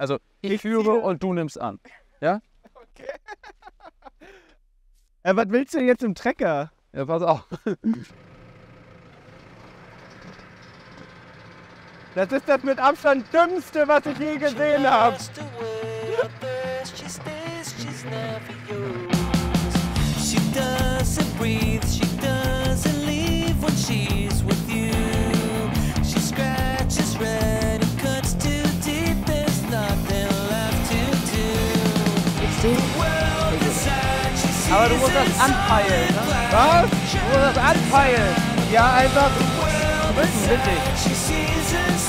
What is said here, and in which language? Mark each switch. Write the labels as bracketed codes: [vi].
[de] Also ich führe ziehe und du nimmst an. Ja? Okay. Was willst du denn jetzt im Trecker? Ja, pass auf. Das ist das mit Abstand Dümmste, was ich je gesehen habe. [en] She doesn't breathe, she doesn't leave when she's with you. She scratches red and cuts too deep, there's nothing left to do. It's the world inside, she sees. [de] Aber du musst das anpeilen, ne? Was? Du musst das anpeilen. Ja, einfach drücken, bitte.